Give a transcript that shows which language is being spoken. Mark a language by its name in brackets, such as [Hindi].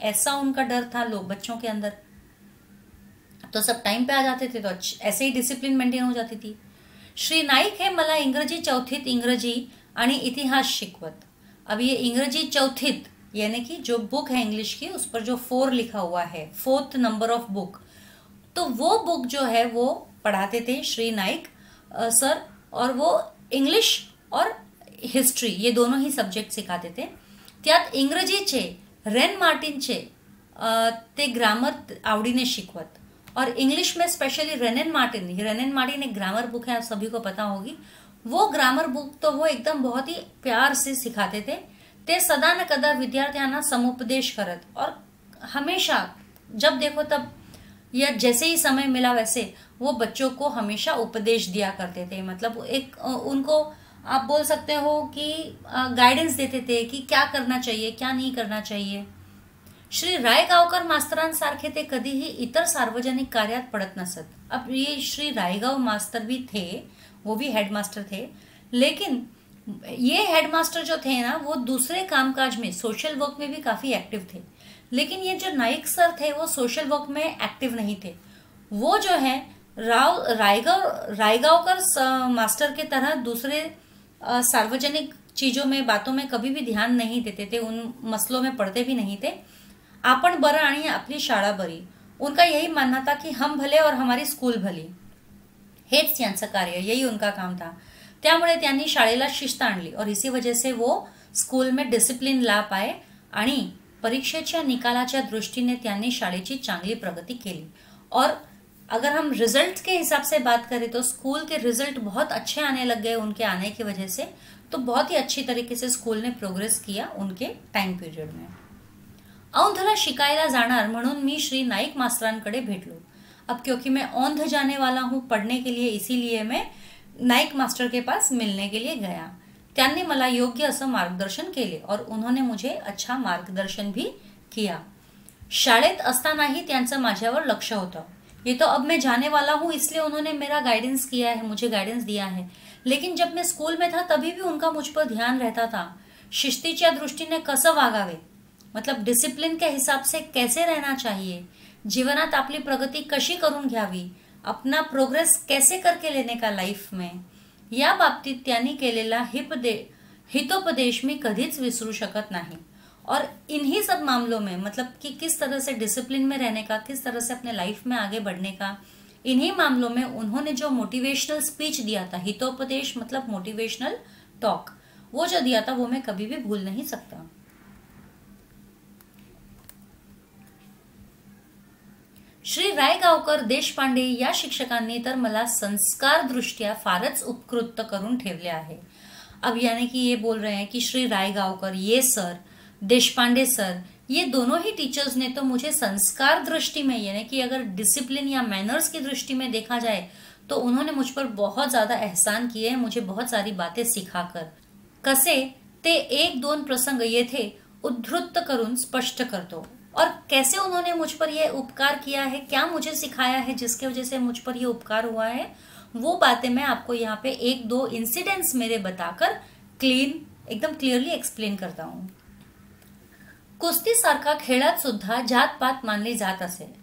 [Hindi] ऐसा उनका डर था लोग बच्चों के अंदर। तो सब टाइम पे आ जाते थे तो ऐसे ही डिसिप्लिन मेंटेन हो जाती थी। [Marathi] श्री नाईक है मला इंग्रजी चौथीत इंग्रजी आणि इतिहास शिकवत। [Hindi] अब ये इंग्रजी चौथीत यानी कि जो बुक है इंग्लिश की उस पर जो फोर लिखा हुआ है, फोर्थ नंबर ऑफ बुक, तो वो बुक जो है वो पढ़ाते थे श्री नाईक सर। और वो इंग्लिश और हिस्ट्री ये दोनों ही सब्जेक्ट सिखाते थे। [Marathi] त्यात इंग्रजी चे रेन मार्टिन चे ते ग्रामर आवडीने शिकवत, [Hindi] और इंग्लिश में स्पेशली रेन एंड मार्टिन एक ग्रामर बुक है, आप सभी को पता होगी। वो ग्रामर बुक तो वो एकदम बहुत ही प्यार से सिखाते थे। [Marathi] ते सदा न कदा विद्यार्थ्यांना समुपदेश करत, [Hindi] और हमेशा जब देखो तब या जैसे ही समय मिला वैसे वो बच्चों को हमेशा उपदेश दिया करते थे। मतलब एक उनको आप बोल सकते हो कि गाइडेंस देते थे कि क्या करना चाहिए क्या नहीं करना चाहिए। [Marathi] श्री रायगावकर मास्तरांसारखे ते कधीही इतर सार्वजनिक कार्यात पडत नसत। [Hindi] अब ये श्री रायगाव मास्टर भी थे, वो भी हेडमास्टर थे, लेकिन ये हेडमास्टर जो थे ना वो दूसरे कामकाज में सोशल वर्क में भी काफी एक्टिव थे, लेकिन ये जो नाईक सर थे वो सोशल वर्क में एक्टिव नहीं थे। वो जो है रायगावकर मास्टर के तरह दूसरे सार्वजनिक चीजों में बातों में कभी भी ध्यान नहीं देते थे, उन मसलों में पढ़ते भी नहीं थे। [Marathi] आपण बरं आणि आपली शाळा बरी, [Hindi] उनका यही मानना था कि हम भले और हमारी स्कूल भली, [Marathi] हेच त्यांचं कार्य, [Hindi] यही उनका काम था। [Marathi] त्यामुळे त्यांनी शाळेला शिस्त आणली, [Hindi] और इसी वजह से वो स्कूल में डिसिप्लिन ला पाए [Marathi] आणि परीक्षेच्या निकालाच्या दृष्टीने त्यांनी शाळेची चांगली प्रगती केली। [Hindi] और अगर हम रिजल्ट के हिसाब से बात करें तो स्कूल के रिजल्ट बहुत अच्छे आने लग गए उनके आने की वजह से। तो बहुत ही अच्छी तरीके से स्कूल ने प्रोग्रेस किया उनके टाइम पीरियड में। [Marathi] औंधला शिकायला जाणार म्हणून मी श्री नाईक मास्तरांकडे भेटलो। [Hindi] अब क्योंकि मैं औंध जाने वाला हूँ पढ़ने के लिए, इसीलिए मैं नाईक मास्टर के पास मिलने के लिए गया। [Marathi] त्यांनी मला योग्य असं मार्गदर्शन केले, [Hindi] और उन्होंने मुझे अच्छा मार्गदर्शन भी किया। [Marathi] शाळेत असतानाही त्यांचं माझ्यावर लक्ष होतं। [Hindi] ये तो अब मैं जाने वाला हूँ इसलिए उन्होंने मेरा गाइडेंस किया है, मुझे गाइडेंस दिया है, लेकिन जब मैं स्कूल में था तभी भी उनका मुझ पर ध्यान रहता था। [Marathi] शिस्तीच्या दृष्टीने कसं वागावे, [Hindi] मतलब डिसिप्लिन के हिसाब से कैसे रहना चाहिए, [Marathi] जीवनात आपली प्रगती कशी करून घ्यावी, [Hindi] अपना प्रोग्रेस कैसे करके लेने का लाइफ में, [Marathi] या बाबतीत त्यांनी केलेला हितोपदेश मी कधीच विसरू शकत नाही। [Hindi] और इन्हीं सब मामलों में, मतलब कि किस तरह से डिसिप्लिन में रहने का, किस तरह से अपने लाइफ में आगे बढ़ने का, इन्हीं मामलों में उन्होंने जो मोटिवेशनल स्पीच दिया था, हितोपदेश मतलब मोटिवेशनल टॉक, वो जो दिया था वो मैं कभी भी भूल नहीं सकता। [Marathi] श्री रायगावकर देशपांडे या शिक्षकांनी तर मला संस्कार दृष्ट्या फारच उपकृत करून ठेवले आहे। [Hindi] अब याने की ये बोल रहे हैं कि श्री रायगावकर ये सर, देशपांडे सर, ये दोनों ही टीचर्स ने तो मुझे संस्कार दृष्टि में, यानी कि अगर डिसिप्लिन या मैनर्स की दृष्टि में देखा जाए तो उन्होंने मुझ पर बहुत ज्यादा एहसान किए हैं, मुझे बहुत सारी बातें सिखाकर। [Marathi] कसे ते एक दोन प्रसंग ये थे, उद्धृत करून स्पष्ट कर दो। [Hindi] और कैसे उन्होंने मुझ पर यह उपकार किया है, क्या मुझे सिखाया है जिसके वजह से मुझ पर यह उपकार हुआ है, वो बातें मैं आपको यहाँ पे एक दो इंसिडेंट्स मेरे बताकर क्लीन एकदम क्लियरली एक्सप्लेन करता हूँ। [Marathi] कुश्ती सारखा खेळात सुद्धा जात पात मानली जात असे।